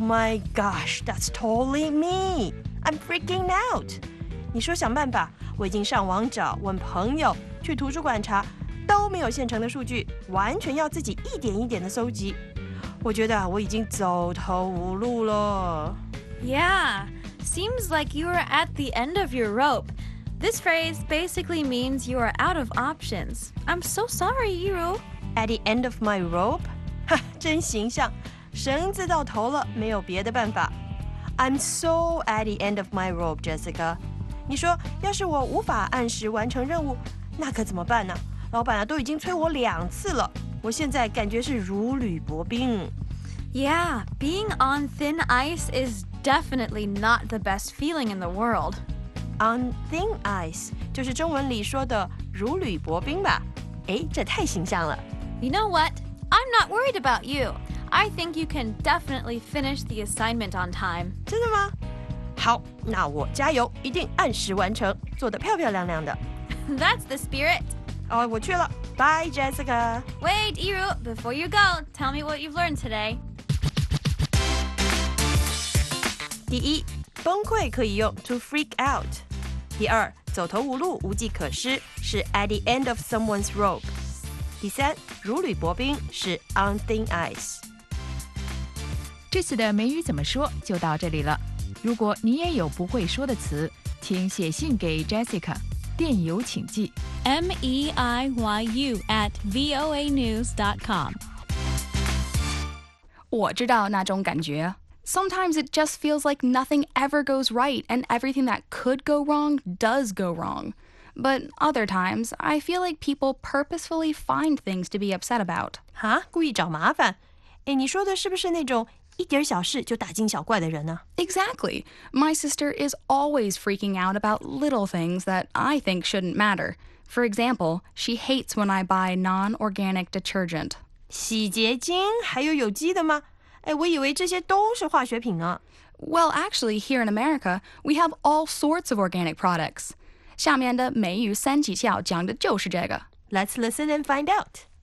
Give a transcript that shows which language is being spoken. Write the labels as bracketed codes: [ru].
[en] my gosh, that's totally me. I'm freaking out. [zh] 你说想办法。我已经上网找，问朋友，去图书馆查，都没有现成的数据，完全要自己一点一点的搜集。我觉得我已经走投无路了。 [en] Yeah, seems like you are at the end of your rope. This phrase basically means you are out of options. I'm so sorry, Yiru. At the end of my rope? [zh] 真形象，绳子到头了，没有别的办法。 [en] I'm so at the end of my rope, Jessica. [zh] 你说，要是我无法按时完成任务，那可怎么办呢？老板啊，都已经催我两次了，我现在感觉是如履薄冰。 [en] Yeah, being on thin ice is definitely not the best feeling in the world. On thin ice, [zh] 就是中文里说的如履薄冰吧？哎，这太形象了。 [en] You know what? I'm not worried about you. I think you can definitely finish the assignment on time. [zh] 真的吗？好，那我加油，一定按时完成，做得漂漂亮亮的。 That's the spirit. 哦，我去了。 [en] Bye, Jessica. Wait, Yiru, before you go, tell me what you've learned today. [zh] 第一，崩溃可以用 to freak out。第二，走投无路、无计可施是 [en] at the end of someone's rope。 [zh] 第三，如履薄冰是 [en] on thin ice。 [zh] 这次的美语怎么说就到这里了。如果你也有不会说的词，请写信给 Jessica， 电邮请寄 [en] meiyu@voanews.com。 [zh] 我知道那种感觉。 [en] Sometimes it just feels like nothing ever goes right and everything that could go wrong does go wrong. But other times, I feel like people purposefully find things to be upset about. [zh] 哈？故意找麻烦？哎，你说的是不是那种一点小事就大惊小怪的人呢？ [en] Exactly. My sister is always freaking out about little things that I think shouldn't matter. For example, she hates when I buy non-organic detergent. [zh] 洗洁精还有有机的吗？哎，我以为这些都是化学品啊。 [en] Well, actually, here in America, we have all sorts of organic products. [zh] 下面的美语三级跳讲的就是这个。 [en] Let's listen and find out.